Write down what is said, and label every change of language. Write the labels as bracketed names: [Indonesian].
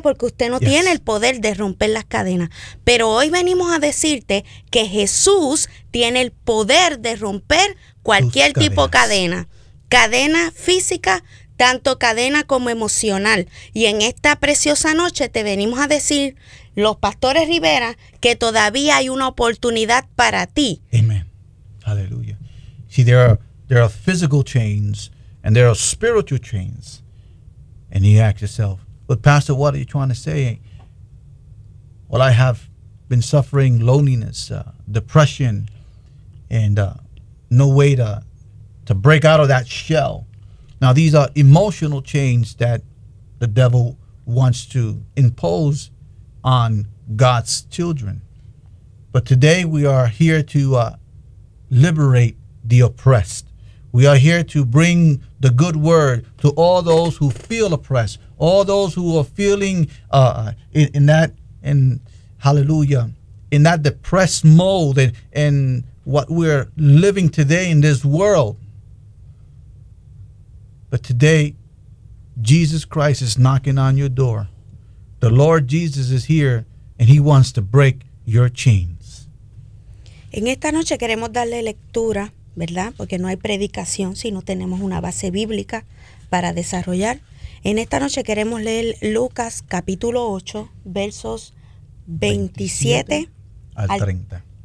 [Spanish] Porque usted no tiene el poder de romper las cadenas. Pero hoy venimos a decirte que Jesús tiene el poder de romper cualquier tipo de cadena. Cadena física, tanto cadena como emocional. Y en esta preciosa noche te venimos a decir, los pastores Rivera, que todavía hay una oportunidad para ti. Amén. Aleluya. [English] See, there are physical chains and there are spiritual chains. And you ask yourself, but Pastor, what are you trying to say? Well, I have been suffering loneliness, depression, and no way to break out of that shell. Now, these are emotional chains that the devil wants to impose on God's children. But today we are here to liberate the oppressed. We are here to bring the good word to all those who feel oppressed, all those who are feeling in that depressed mold and what we're living today in this world. But today, Jesus Christ is knocking on your door. The Lord Jesus is here, and he wants to break your chains. [Spanish] En esta noche queremos darle lectura, ¿verdad? Porque no hay predicación si no tenemos una base bíblica para desarrollar. En esta noche queremos leer Lucas capítulo 8, versos 27 al 30.